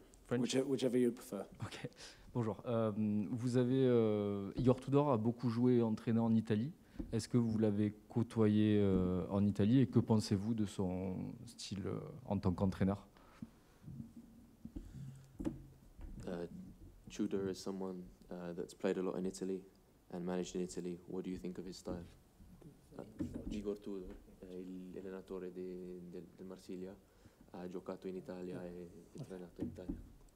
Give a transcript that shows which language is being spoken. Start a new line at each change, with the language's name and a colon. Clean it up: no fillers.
English: Whichever you prefer.
French: Okay. Bonjour. Vous avez Igor Tudor a beaucoup joué et entraîné en Italie. Est-ce que vous l'avez côtoyé en Italie et que pensez-vous de son style en tant qu'entraîneur?
English: Tudor is someone that's played a lot in Italy and managed in Italy. What do you think of his style?
Italian: Igor Tudor, l'allenatore di Marsiglia, ha giocato in Italia e ha allenato in Italia.